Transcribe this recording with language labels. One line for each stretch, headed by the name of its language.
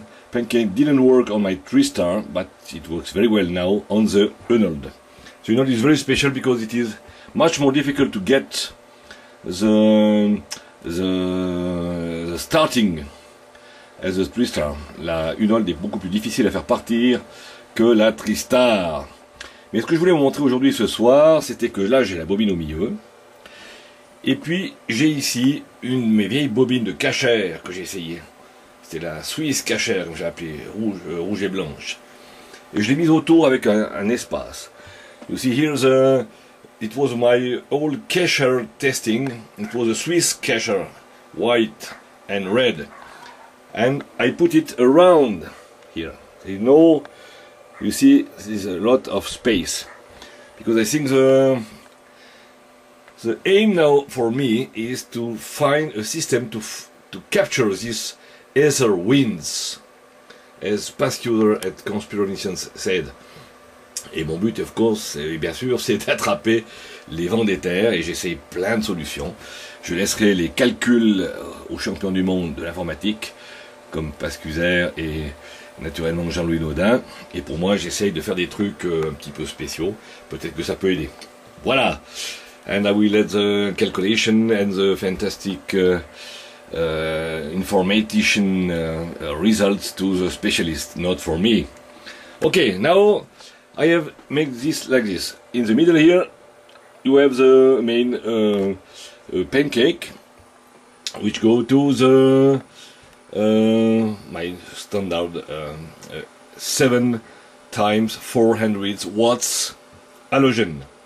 English: Pancake didn't work on my Tristar, but it works very well now on the Unhold. So you know, it's very special because it is much more difficult to get the starting as a Tristar.
French: La Unhold est beaucoup plus difficile à faire partir que la Tristar. Mais ce que je voulais vous montrer aujourd'hui, ce soir, c'était que là, j'ai la bobine au milieu. Et puis, j'ai ici une de mes vieilles bobines de cachère que j'ai essayé. C'était la Suisse cachère, j'ai appelé rouge et blanche. Et je l'ai mise autour avec un espace.
English: You see here, it was my old cachère testing. It was a Swiss cachère, white and red. And I put it around here. You know, you see, this is a lot of space. Because I think the aim now for me is to find a system to capture this ether winds, as Pasteur et Conspiration said.
French: Et mon but,
English: of course,
French: et bien sûr, c'est d'attraper les vents d'éther, et j'essaie plein de solutions. Je laisserai les calculs aux champions du monde de l'informatique, comme Pasteur et naturellement Jean-Louis Naudin. Et pour moi, j'essaie de faire des trucs un petit peu spéciaux. Peut-être que ça peut aider. Voilà.
English: And I will let the calculation and the fantastic information results to the specialist, not for me. Okay, now I have made this like this. In the middle here, you have the main pancake, which go to the my standard 7 × 400 watts halogen.